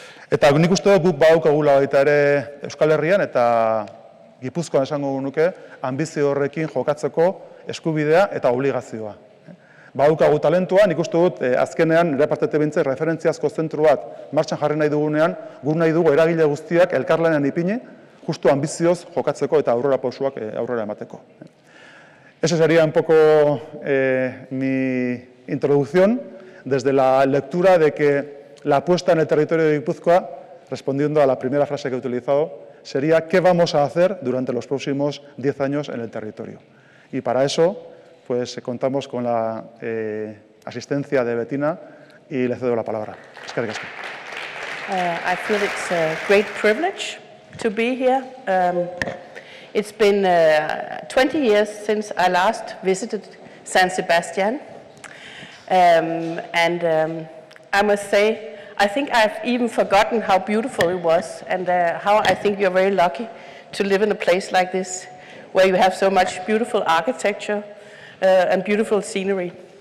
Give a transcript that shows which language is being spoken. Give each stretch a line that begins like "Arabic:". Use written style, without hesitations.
Basque: Eta nik uste dut guk badaukagula baita ere Euskal Herrian eta Gipuzkoan esango nuke, ambizio horrekin jokatzeko eskubidea eta obligazioa. Badaukagu talentua, nik uste dut azkenean nire partete bintzen referentziazko zentru bat martxan jarri nahi dugunean, guk nahi dugu eragile guztiak elkarlanean ipini, justu ambizioz jokatzeko eta aurrera pausuak aurrera emateko.
Spanish: Ese sería un poco mi introducción, desde la lectura de que la apuesta en el territorio de Gipuzkoa, respondiendo a la primera frase que he utilizado, sería qué vamos a hacer durante los próximos 10 años en el territorio. Y para eso, pues contamos con la asistencia de Betina y le cedo la palabra.
Basque: Eskerrik asko.
English: I feel it's a great privilege to be here. It's been 20 years since I last visited San Sebastian. I must say, I think I've even forgotten how beautiful it was and how I think you're very lucky to live in a place like this where you have so much beautiful architecture and beautiful scenery.